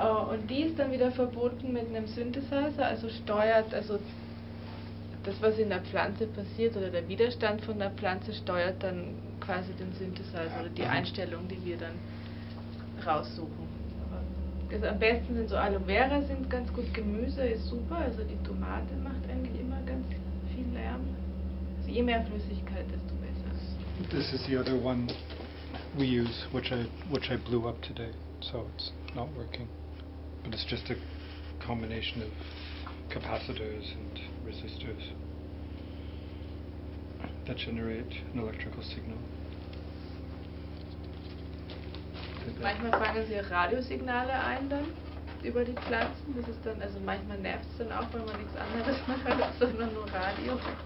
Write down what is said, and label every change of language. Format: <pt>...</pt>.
<de>Und die ist dann wieder verbunden mit einem Synthesizer, also steuert, also das, was in der Pflanze passiert, oder der Widerstand von der Pflanze steuert dann quasi den Synthesizer oder die Einstellung, die wir dann raussuchen. Also am besten sind so Aloe Vera, sind ganz gut, Gemüse ist super, also die Tomate macht eigentlich immer ganz viel Lärm. Also je mehr Flüssigkeit, desto besser.</de> <en>This is the other one we use, which I blew up today. So it's not working, but it's just a combination of capacitors and resistors that generate an electrical signal.</en> <de>Manchmal fangen sie Radiosignale ein dann über die Pflanzen. Das ist dann, also manchmal nervt es dann auch, weil man nichts anderes macht, sondern nur Radio.</de>